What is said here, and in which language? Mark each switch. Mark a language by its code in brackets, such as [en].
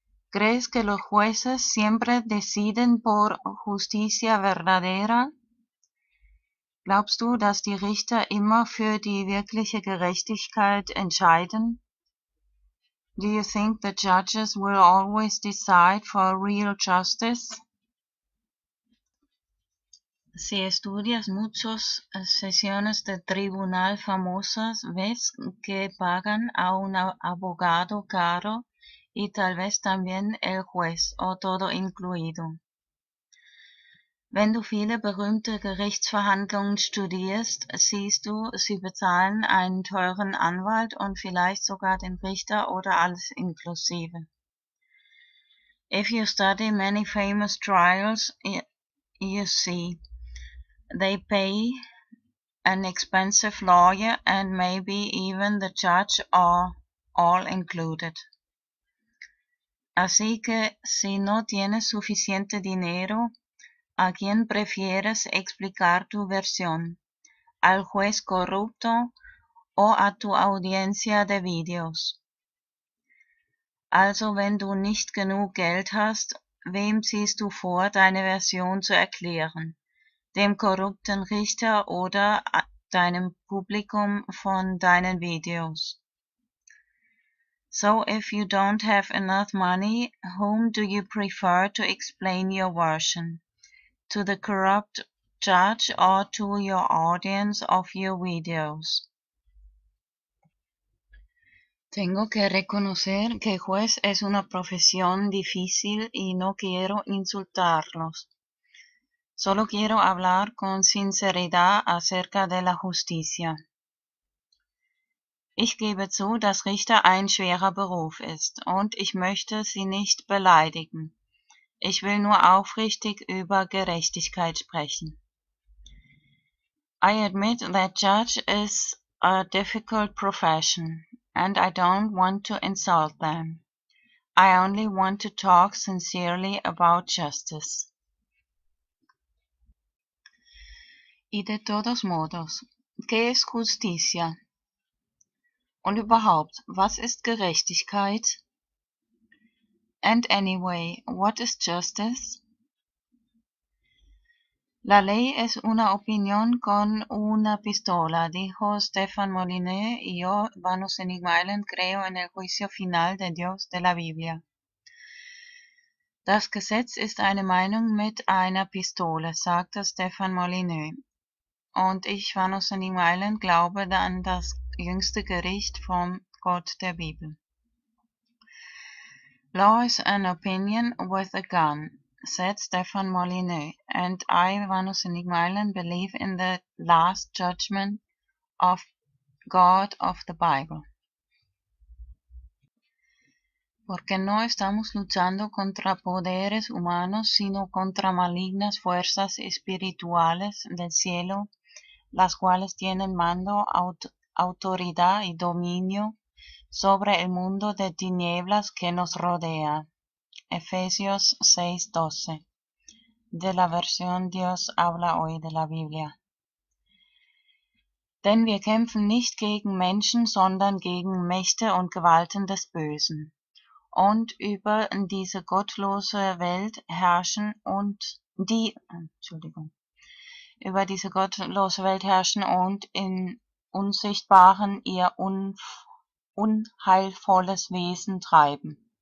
[es] ¿Crees que los jueces siempre deciden por justicia verdadera? [de] ¿Glaubst du, dass die Richter immer für die wirkliche Gerechtigkeit entscheiden? [en] Do you think the judges will always decide for real justice? [es] Si estudias muchas sesiones de tribunal famosas, ves que pagan a un abogado caro y tal vez también el juez o todo incluido. [de] Wenn du viele berühmte Gerichtsverhandlungen studierst, siehst du, sie bezahlen einen teuren Anwalt und vielleicht sogar den Richter oder alles inklusive. [en] If you study many famous trials, you see, they pay an expensive lawyer and maybe even the judge are all included. [es] Así que si no tienes suficiente dinero, ¿a quién prefieres explicar tu versión? ¿Al juez corrupto o a tu audiencia de videos? [de] Also, wenn du nicht genug Geld hast, wem ziehst du vor, deine Version zu erklären? Dem korrupten Richter oder deinem Publikum von deinen Videos? [en] So, if you don't have enough money, whom do you prefer to explain your version? To the corrupt judge or to your audience of your videos? [es] Tengo que reconocer que juez es una profesión difícil y no quiero insultarlos. Solo quiero hablar con sinceridad acerca de la justicia. [de] Ich gebe zu, dass Richter ein schwerer Beruf ist und ich möchte sie nicht beleidigen. Ich will nur aufrichtig über Gerechtigkeit sprechen. [en] I admit that judge is a difficult profession. And I don't want to insult them. I only want to talk sincerely about justice. [es] Y de todos modos, ¿qué es justicia? [de] Und überhaupt, was ist Gerechtigkeit? [en] And anyway, what is justice? [es] La ley es una opinión con una pistola, dijo Stefan Moliné, y yo, Vanus Enigma Island, creo en el juicio final de Dios de la Biblia. [de] Das Gesetz ist eine Meinung mit einer Pistole, sagte Stefan Moliné. Und ich, Vanus Enigma Island, glaube an das jüngste Gericht vom Gott der Bibel. [en] Law is an opinion with a gun, said Stefan Molyneux, and I, Vanus Enigma Island, believe in the last judgment of God of the Bible. [es] Porque no estamos luchando contra poderes humanos, sino contra malignas fuerzas espirituales del cielo, las cuales tienen mando, autoridad y dominio sobre el mundo de tinieblas que nos rodea. Efesios 6:12, de la versión Dios habla hoy de la Biblia. [de] Denn wir kämpfen nicht gegen Menschen, sondern gegen Mächte und Gewalten des Bösen. Und über diese gottlose Welt herrschen und die, Entschuldigung, über diese gottlose Welt herrschen und in Unsichtbaren ihr unheilvolles Wesen treiben.